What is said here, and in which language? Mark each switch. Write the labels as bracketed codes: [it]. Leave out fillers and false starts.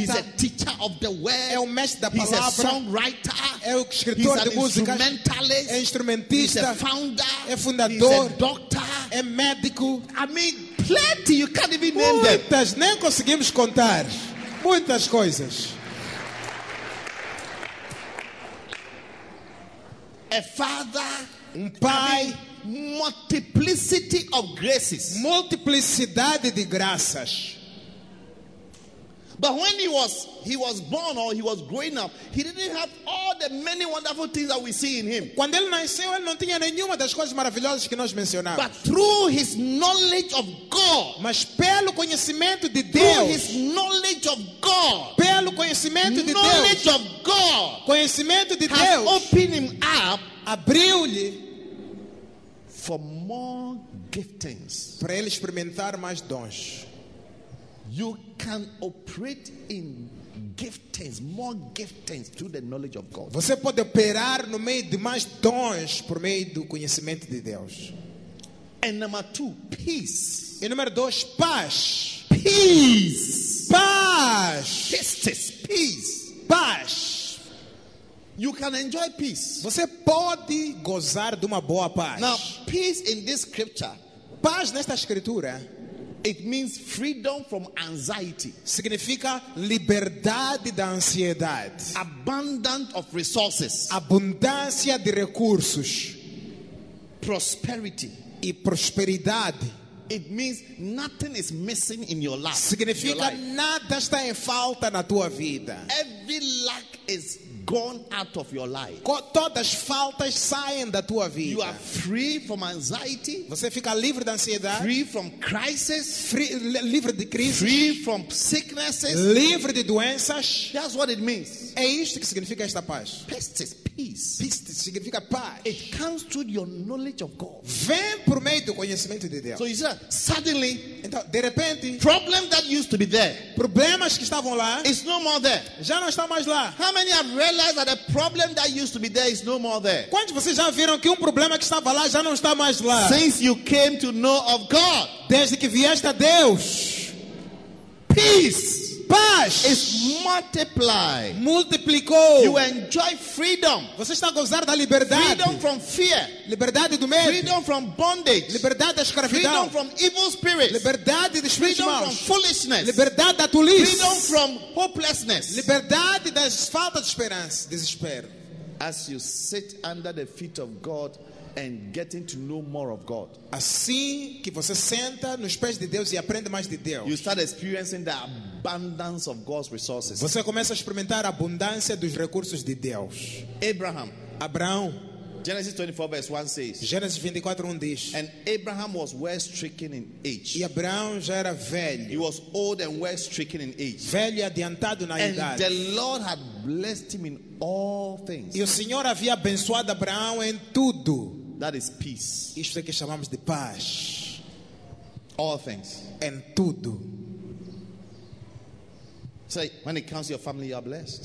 [en] He's a teacher of the word. [pt] É o mestre da palavra. [en] He's a songwriter. [pt] É o escritor de músicas. [en] He's an instrumentalist. He's a founder. [pt] É fundador. [en] He's a doctor. [pt] É médico. [en] I mean, plenty, you can't even name [pt] muitas, [en] them. [pt] Nem conseguimos contar muitas coisas. [en] A father, [pt] um pai, [en] multiplicity of graces, [pt] multiplicidade de graças. [en] But when he was born or he was growing up, he didn't have all the many wonderful things that we see in him. [pt] Quando ele nasceu, ele não tinha nenhuma das coisas maravilhosas que nós mencionamos. [en] But through his knowledge of God, [pt] mas pelo conhecimento de [en] through [pt] Deus, [en] his knowledge of God, [pt] pelo conhecimento de [en] knowledge [pt] Deus, [en] of God, [pt] conhecimento de [en] has [pt] Deus, [en] opened him up, [pt] abriu-lhe [en] for more giftings, [pt] para ele experimentar mais dons. [en] You can operate in giftings, more giftings through the knowledge of God. [pt] Você pode operar no meio de mais dons por meio do conhecimento de Deus. [en] And number two, peace. [pt] E número dois, paz. [en] Peace. [pt] Paz. [en] Justice. Peace. [pt] Paz. [en] You can enjoy peace. [pt] Você pode gozar de uma boa paz. [en] Now, peace in this scripture. [pt] Paz nesta escritura. [en] It means freedom from anxiety. [pt] Significa liberdade da ansiedade. [en] Abundant of resources. [pt] Abundância de recursos. [en] Prosperity. [pt] E prosperidade. [en] It means nothing is missing in your life. [pt] Significa nada está em falta na tua vida. [en] Every lack is gone out of your life. [pt] Todas as faltas saem da tua vida. [en] You are free from anxiety. [pt] Você fica livre da ansiedade. [en] Free from crisis. [pt] Livre de crise. [en] Free from sicknesses. [pt] Livre de doenças. [en] That's what it means. [pt] É isto que significa esta paz. [en] Pestes, peace. [pt] Pestes significa paz. [en] It comes through your knowledge of God. [pt] Vem por meio do conhecimento de Deus. [en] So you see, suddenly, [pt] então, de repente, [en] problem that used to be there, [pt] problemas que estavam lá, [en] it's no more there. [pt] Já não está mais lá. [en] How many have realize that a problem that used to be there is no more there. [pt] Quantos vocês já viram que problema que estava lá já não está mais lá? [en] Since you came to know of God, [pt] desde que vieste a Deus, [en] peace, [pt] paz, [en] is multiplied, [pt] multiplicou. [en] You enjoy freedom. [pt] Você está a gozar da liberdade. [en] Freedom from fear. [pt] Liberdade do medo. [en] Freedom from bondage. [pt] Liberdade da escravidão. [en] Freedom from evil spirits. [pt] Liberdade de espíritos maus. [en] Freedom from foolishness. [pt] Liberdade da tolice. [en] Freedom from hopelessness. [pt] Liberdade da falta de esperança, desespero. [en] As you sit under the feet of God and getting to know more of God. [pt] Assim que você senta nos pés de Deus e aprende mais de Deus, [en] you start experiencing the abundance of God's resources. [pt] Você começa a experimentar a abundância dos recursos de Deus. [en] Abraham. [pt] Abraão. [en] Genesis 24 verse 1 says. [pt] Gênesis 24:1 diz. [en] And Abraham was well stricken in age. [pt] E Abraão já era velho. [en] He was old and well stricken in age. [pt] Velho e adiantado na idade. [en] And the Lord had blessed him in all things. [pt] E o Senhor havia abençoado Abraão em tudo. [en] That is peace. [pt] Isso é que chamamos de paz. [en] All things. [pt] Em tudo. [en] Say, so when it comes to your family, you are blessed.